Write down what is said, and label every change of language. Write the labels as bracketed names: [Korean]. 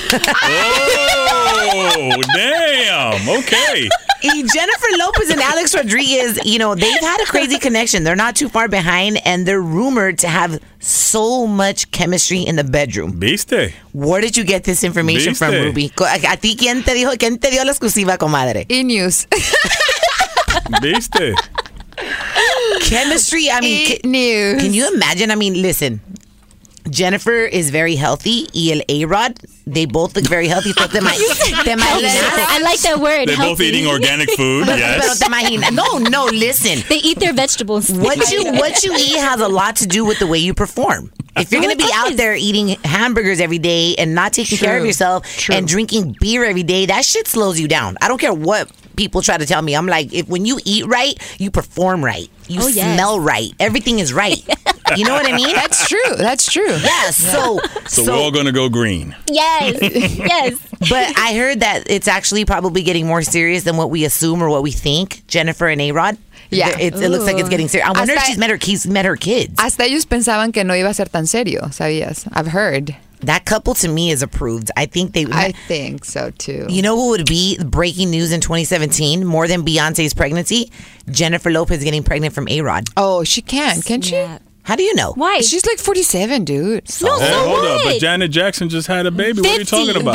[English] Oh, damn. Okay. Jennifer Lopez and Alex Rodriguez, you know, they've had a crazy connection. They're not too far behind, and they're rumored to have so much chemistry in the bedroom. [Spanish] Viste. [English] Where did you get this information from, Ruby? [Spanish] ¿A ti quién te dio la exclusiva, comadre? [English] E-News. [Spanish] Viste. [English] Chemistry, I mean. E-News. Can you imagine? I mean, listen. Jennifer is very healthy. Y el A-Rod, they both look very healthy. So I like that word. They're healthy. Both eating organic food. No, listen. They eat their vegetables. What you eat has a lot to do with the way you perform. If you're going to be out there eating hamburgers every day and not taking care of yourself and drinking beer every day, that shit slows you down. I don't care what people try to tell me. I'm like, if when you eat right, you perform right. You smell right. Everything is right. You know what I mean? That's true. Yes. Yeah. So we're all going to go green. Yes. But I heard that it's actually probably getting more serious than what we assume or what we think. Jennifer and A-Rod. Yeah. It looks like it's getting serious. I wonder if she's met her kids. [Spanish] Hasta ellos pensaban que no iba a ser tan serio, sabías? [English] I've heard. That couple to me is approved. I think so too. You know what would be breaking news in 2017? More than Beyonce's pregnancy? Jennifer Lopez getting pregnant from A-Rod. Oh, she can't she? How do you know? Why? She's like 47, dude. Hold up. But Janet Jackson just had a baby. 50. What are you talking about?